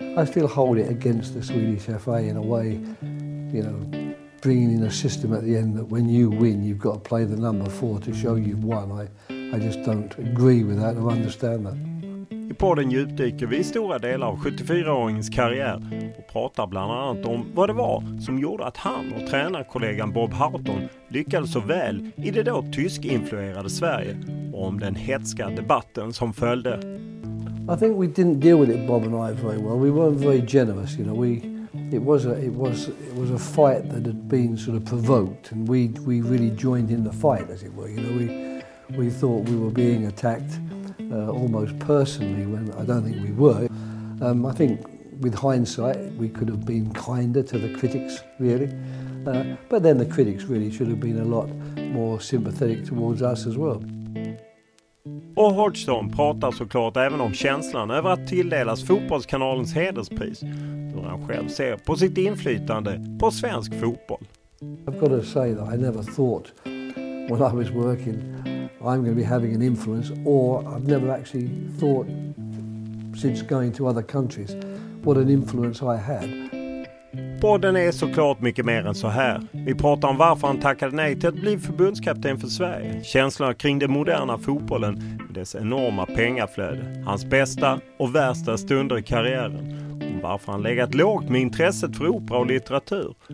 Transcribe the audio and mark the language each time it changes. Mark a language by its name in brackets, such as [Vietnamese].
[English] I still hold it against the Swedish FA in a way, you know, bringing in a system at the end that when you win, you've got to play the number 4 to show you've won. I just don't agree with that or understand that. [Swedish] I podden djupdyker vi i stora delar av 74-åringens karriär och pratar bland annat om vad det var som gjorde att han och tränarkollegan Bob Houghton lyckades så väl i det då tysk-influerade Sverige och om den hetska debatten som följde. [English] I think we didn't deal with it, Bob and I, very well. We weren't very generous, you know. It was a fight that had been sort of provoked, and we really joined in the fight, as it were. You know, we thought we were being attacked almost personally, when I don't think we were. I think with hindsight, we could have been kinder to the critics, really. But then the critics really should have been a lot more sympathetic towards us as well. [Swedish] Och Hodgson pratar såklart även om känslan över att tilldelas fotbollskanalens hederspris, hur han själv ser på sitt inflytande på svensk fotboll. [English] I've got to say that I never thought when I was working I'm going to be having an influence, or I've never actually thought since going to other countries what an influence I had. [Swedish] Fotbollspodden är såklart mycket mer än så här. Vi pratar om varför han tackade nej till att bli förbundskapten för Sverige. Känslorna kring den moderna fotbollen med dess enorma pengaflöde. Hans bästa och värsta stunder i karriären. Om varför han legat lågt med intresset för opera och litteratur.